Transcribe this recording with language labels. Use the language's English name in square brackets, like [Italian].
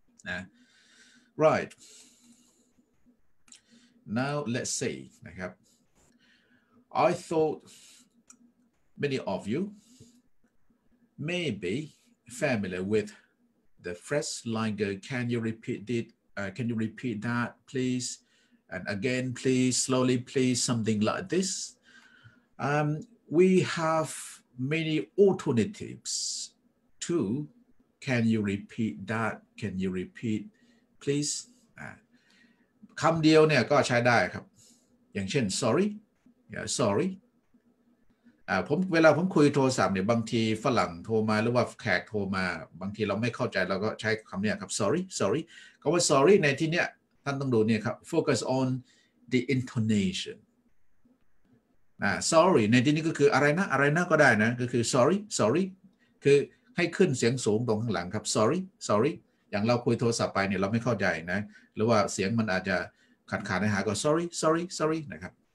[English] นะ right now let's see [Thai] นะครับ [English] I thought many of you may be familiar with the phrase like can you repeat it can you repeat that pleaseAnd again, please, slowly, please, something like this. We have many alternatives to can you repeat that? Can you repeat, please? [Thai] คำเดียวเนี่ยก็ใช้ได้ครับอย่างเช่น [English] sorry, yeah, sorry. [Thai] ผมเวลาผมคุยโทรศัพท์เนี่ยบางทีฝรั่งโทรมาหรือว่าแขกโทรมาบางทีเราไม่เข้าใจเราก็ใช้คำเนี้ยครับ [English] sorry, sorry. [Thai] คำว่า sorry ในที่เนี้ยท่านต้องดูเนี่ยครับ [English] focus on the intonation [Thai] sorry ในที่นี้ก็คืออะไรนะอะไรนะก็ได้นะก็คือ sorry sorry คือให้ขึ้นเสียงสูงตรงข้างหลังครับ sorry sorry อย่างเราคุยโทรศัพท์ไปเนี่ยเราไม่เข้าใจนะหรือว่าเสียงมันอาจจะขาดขาดในหาก็ sorry sorry sorry นะครับ